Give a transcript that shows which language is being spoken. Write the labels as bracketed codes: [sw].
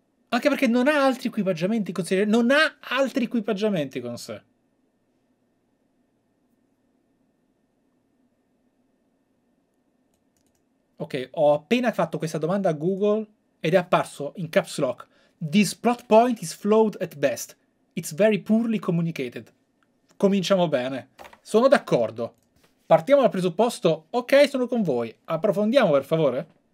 [it] Anche perché non ha altri equipaggiamenti con sé. Non ha altri equipaggiamenti con sé. Ok, ho appena fatto questa domanda a Google ed è apparso in caps lock. [en] This plot point is flawed at best. It's very poorly communicated. [it] Cominciamo bene. Sono d'accordo. Partiamo dal presupposto. Ok, sono con voi. Approfondiamo, per favore.